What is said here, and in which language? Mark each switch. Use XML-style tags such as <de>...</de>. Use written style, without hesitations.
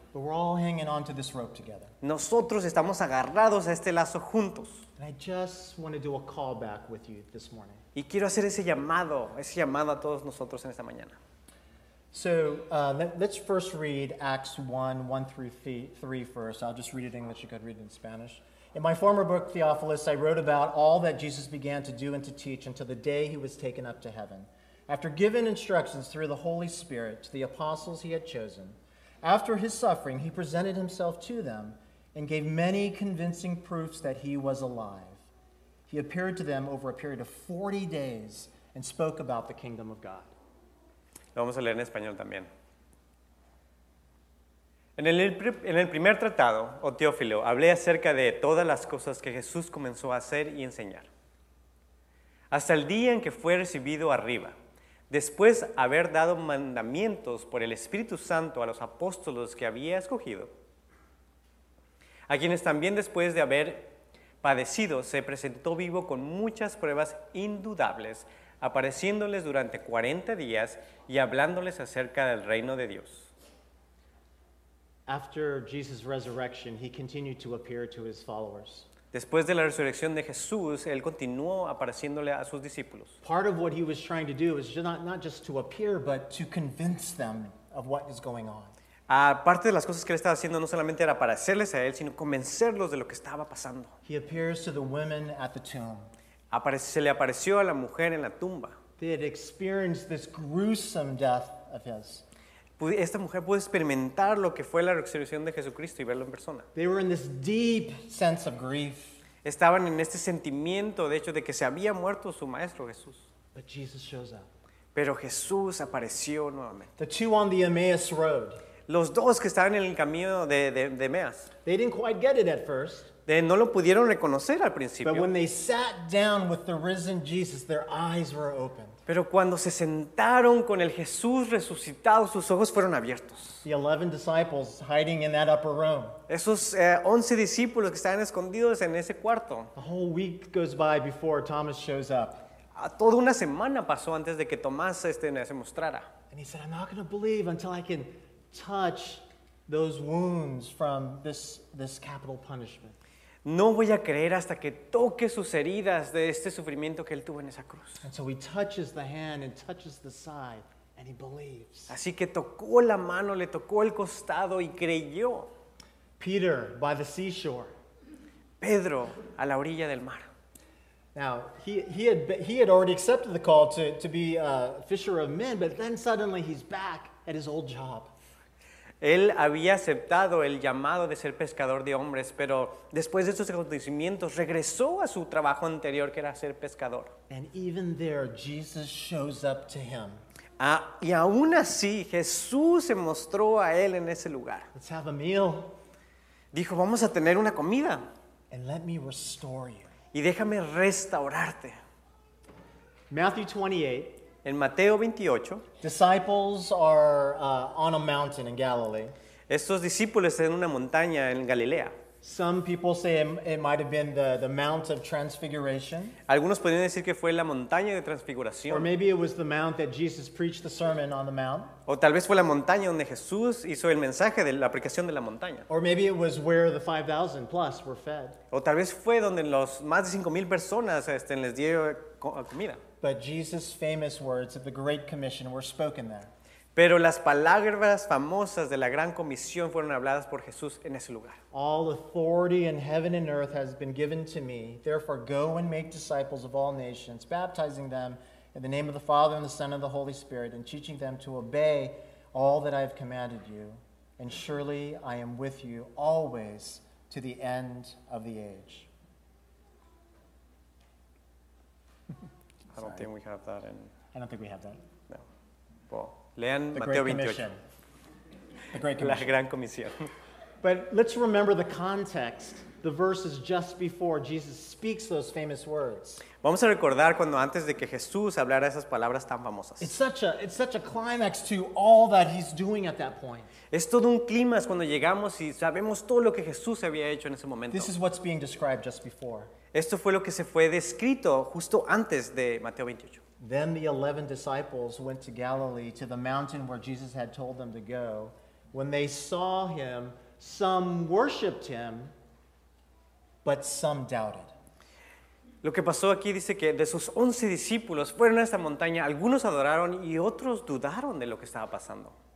<en>But we're all hanging on to this rope together.</en> <es>Nosotros estamos agarrados a este lazo juntos.</es> <en>And I just want to do a call back with you this morning.</en> <es>Y quiero hacer ese llamado a todos nosotros en esta mañana.</es> <en>So let's first read Acts 1:1-3 first. I'll just read it in English. You could read it in Spanish. In my former book, Theophilus, I wrote about all that Jesus began to do and to teach until the day he was taken up to heaven. After giving instructions through the Holy Spirit to the apostles he had chosen, after his suffering, he presented himself to them and gave many convincing proofs that he was alive. He appeared to them over a period of 40 days and spoke about the kingdom of God.</en> <es>Lo vamos a leer en español también. En el primer tratado, o Teófilo, hablé acerca de todas las cosas que Jesús comenzó a hacer y enseñar. Hasta el día en que fue recibido arriba, después haber dado mandamientos por el Espíritu Santo a los apóstoles que había escogido, a quienes también después de haber padecido se presentó vivo con muchas pruebas indudables, apareciéndoles durante 40 días y hablándoles acerca del reino de Dios.</es> <en>After Jesus' resurrection, he continued to appear to his followers.</en> <es>Después de la resurrección de Jesús, él continuó apareciéndole a sus discípulos.</es> <en>Part of what he was trying to do is not just to appear, but to convince them of what is going on.</en> <es>Parte de las cosas que él estaba haciendo no solamente era aparecerles a él, sino convencerlos de lo que estaba pasando.</es> <en>He appears to the women at the tomb.</en> <es>Se le apareció a la mujer en la tumba.</es> <en>They had experienced this gruesome death of his.</en> <es>Esta mujer pudo experimentar lo que fue la resurrección de Jesucristo y verlo en persona.</es> <en>They were in this deep sense of grief.</en> <es>Estaban en este sentimiento, de hecho, de que se había muerto su maestro Jesús.</es> <en>But Jesus shows up.</en> <es>Pero Jesús apareció nuevamente.</es> <en>The two on the Emmaus Road.</en> <es>Los dos que estaban en el camino de Emmaus.</es> <en>They didn't quite get it at first.</en> <es>No lo pudieron reconocer al principio.</es> <en>But when they sat down with the risen Jesus, their eyes were opened.</en> <es>Pero cuando se sentaron con el Jesús resucitado, sus ojos fueron abiertos.</es> <en>The 11 disciples hiding in that upper room.</en> <es>Esos 11 discípulos que estaban escondidos en ese cuarto.</es> <en>A whole week goes by before Thomas shows up.</en> <es>Toda una semana pasó antes de que Tomás se mostrara.</es> <en>And he said, I'm not going to believe until I can touch those wounds from this capital punishment.</en> <es>No voy a creer hasta que toque sus heridas de este sufrimiento que él tuvo en esa cruz.</es> <en>And so he touches the hand and touches the side and he believes.</en> <es>Así que tocó la mano, le tocó el costado y creyó.</es> <en>Peter by the seashore.</en> <es>Pedro a la orilla del mar.</es> <en>Now, he had already accepted the call to be a fisher of men, but then suddenly he's back at his old job.</en> <es>Él había aceptado el llamado de ser pescador de hombres, pero después de estos acontecimientos regresó a su trabajo anterior, que era ser pescador.</es> <en>And even there, Jesus shows up to him.</en> <es>Y aún así, Jesús se mostró a él en ese lugar.</es> <en>Let's have a meal.</en> <es>Dijo, vamos a tener una comida.</es> <en>And let me restore you.</en> <es>Y déjame restaurarte.</es> <en>Matthew 28.</en> <es>En Mateo 28,</es> <en>disciples are on a mountain in Galilee.</en> <es>Estos discípulos están en una montaña en Galilea.</es> <en>Some people say it might have been the Mount of Transfiguration.</en> <es>Algunos podrían decir que fue la montaña de transfiguración.</es> <en>Or maybe it was the mount that Jesus preached the sermon on the mount.</en> <es>O tal vez fue la montaña donde Jesús hizo el mensaje de la aplicación de la montaña.</es> <en>Or maybe it was where the 5,000 plus were fed.</en> <es>O tal vez fue donde los más de 5,000 personas les dio comida.</es> <en>But Jesus' famous words of the Great Commission were spoken there.</en> <es>Pero las palabras famosas de la Gran Comisión fueron habladas por Jesús en ese lugar.</es> <en>All authority in heaven and earth has been given to me. Therefore, go and make disciples of all nations, baptizing them in the name of the Father and the Son and the Holy Spirit, and teaching them to obey all that I have commanded you. And surely I am with you always to the end of the age. I don't think we have that in... I don't think we have that.</en> <es>No.</es> <en>Well...</en> <es>Lean Mateo</es> <en>28. The Great Commission.</en> <es>La Gran Comisión.</es> <en>But let's remember the context, the verses just before Jesus speaks those famous words.</en> <es>Vamos a recordar cuando antes de que Jesús hablara esas palabras tan famosas.</es> <en>It's such a climax to all that he's doing at that point.</en> <es>Es todo un clímax cuando llegamos y sabemos todo lo que Jesús había hecho en ese momento.</es> <en>This is what's being described just before.</en> <es>Esto fue lo que se fue descrito justo antes de Mateo 28.</es> <en>Then the 11 disciples went to Galilee, to the mountain where Jesus had told them to go. When they saw him, some worshipped him, but some doubted.</en> <es>Lo que pasó aquí dice que de sus 11 discípulos fueron a esta montaña, algunos adoraron y otros dudaron de lo que estaba pasando.</es>